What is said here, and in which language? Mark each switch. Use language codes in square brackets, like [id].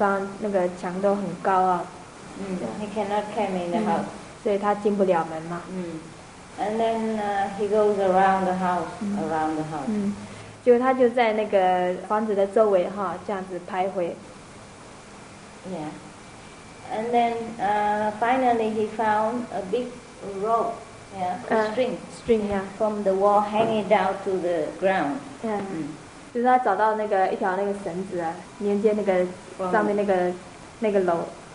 [zh] 那深夜了，很暗嘛，那大部分的人都已经在屋内了啊，很暗的地方，那个墙都很高啊。 [en] He cannot come in the house. [zh] 所以他进不了门嘛。 [en] And then he goes around the house, around the house. [zh] 就他就在那个房子的周围哈，这样子徘徊。 [en] Yeah. And then finally he found a big rope, a string, yeah. From the wall hanging down to the ground. [zh] 就是他找到那个一条那个绳子啊，连接那个上面那个楼。